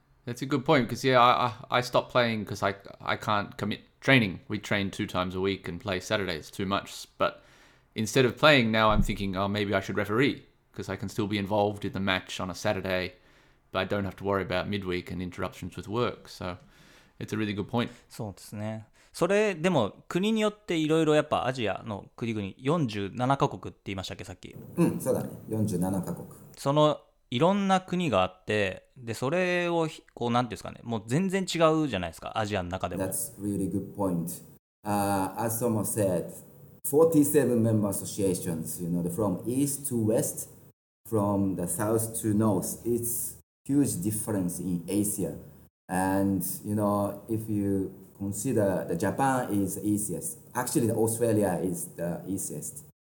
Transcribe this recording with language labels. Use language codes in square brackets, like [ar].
[en] That's a good point because, yeah, I stopped playing because I can't commit training. We train 2 times a week and play Saturdays too much. But instead of playing, now I'm thinking, oh, maybe I should referee because I can still be involved in the match on a Saturday, but I don't have to worry about midweek and interruptions with work. So it's a really good point. [ja] そうですね。それでも国によっていろいろやっぱアジアの国々、47カ国って言いましたっけさっき。うん、そうだね。47カ国。そのいろんな国があって、で、それを、こう、なんていうんですかね、もう全然違うじゃないですか、アジアの中でも。 [en] That's really good point. As Tomo said, 47 member associations, you know, from east to west, from the south to north, it's huge difference in Asia. And, you know, if you consider that Japan is easiest. Actually, Australia is the easiest.